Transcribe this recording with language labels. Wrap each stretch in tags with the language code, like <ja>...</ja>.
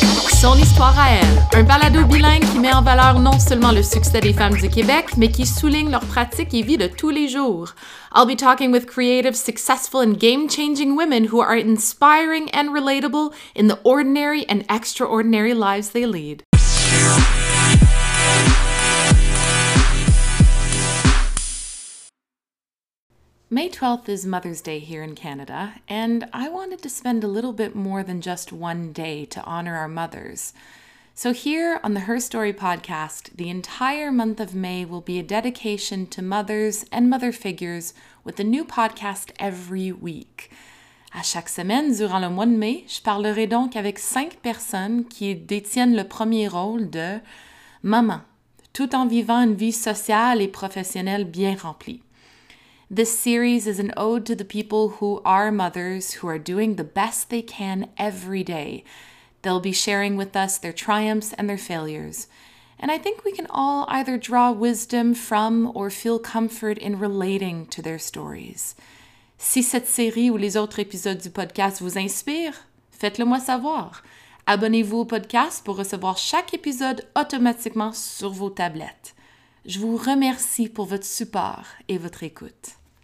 <fr>Son histoire à elle, un balado bilingue qui met en valeur non seulement le succès des femmes du Québec, mais qui souligne leur pratique et vie de tous les jours.</fr> <en>I'll be talking with creative, successful and game-changing women who are inspiring and relatable in the ordinary and extraordinary lives they lead. May 12th is Mother's Day here in Canada, and I wanted to spend a little bit more than just one day to honor our mothers. So here on the Her Story podcast, the entire month of May will be a dedication to mothers and mother figures with a new podcast every week.</en> <fr>À chaque semaine, durant le mois de mai, je parlerai donc avec cinq personnes qui détiennent le premier rôle de maman, tout en vivant une vie sociale et professionnelle bien remplie.</fr> <en>This series is an ode to the people who are mothers, who are doing the best they can every day. They'll be sharing with us their triumphs and their failures. And I think we can all either draw wisdom from or feel comfort in relating to their stories.</en> <fr>Si cette série ou les autres épisodes du podcast vous inspirent, faites-le moi savoir. Abonnez-vous au podcast pour recevoir chaque épisode automatiquement sur vos tablettes. Je vous remercie pour votre support et votre écoute.</fr>